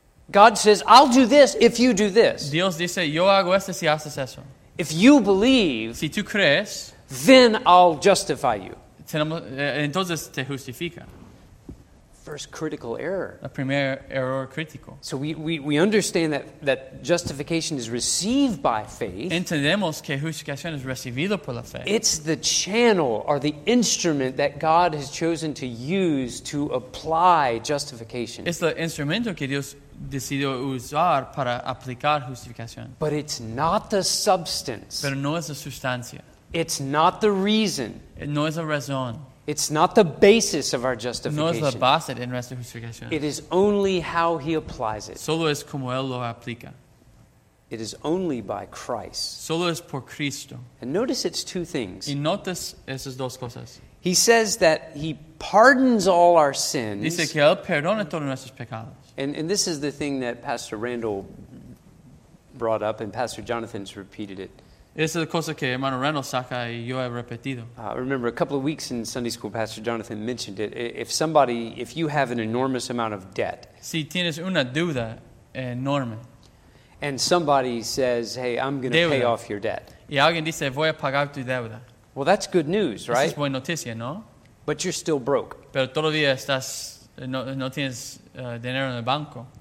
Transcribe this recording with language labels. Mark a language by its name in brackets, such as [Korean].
[English] God says, I'll do this if you do this. [Spanish] Dios dice, yo hago esto si haces eso. [English] If you believe, [Spanish] si tú crees, [English] then I'll justify you. [Spanish] Entonces te justifica. [English] First critical error. [Spanish] A primer error crítico. [English] So we understand that justification is received by faith. [Spanish] Entendemos que justificación es recibido por la fe. [English] It's the channel or the instrument that God has chosen to use to apply justification. [Spanish] Es el instrumento que Dios decidió usar para aplicar justificación. [English] But it's not the substance. [Spanish] Pero no es la sustancia. [English] It's not the reason. [Spanish] No es la razón. [English] It's not the basis of our justification. [Spanish] No es la base de nuestra justificación. [English] It is only how he applies it. [Spanish] Solo es como él lo aplica. [English] It is only by Christ. [Spanish] Solo es por Cristo. [English] And notice it's two things. [Spanish] Y notas esas dos cosas. [English] He says that he pardons all our sins. [Spanish] Dice que él perdona todos nuestros pecados. [English] And this is the thing that Pastor Randall brought up, and Pastor Jonathan's repeated it. [Spanish] Esa es la cosa que hermano Randall saca y yo he repetido. [English] Remember, a couple of weeks in Sunday school, Pastor Jonathan mentioned it. If you have an enormous amount of debt. [Spanish] Si tienes una deuda enorme. [English] And somebody says, hey, I'm going to pay off your debt. [Spanish] Y alguien dice, voy a pagar tu deuda. [English] Well, that's good news, right? [Spanish] Esa es buena noticia, ¿no? [English] But you're still broke. [Spanish] Pero todavía estás, no tienes dinero en el banco.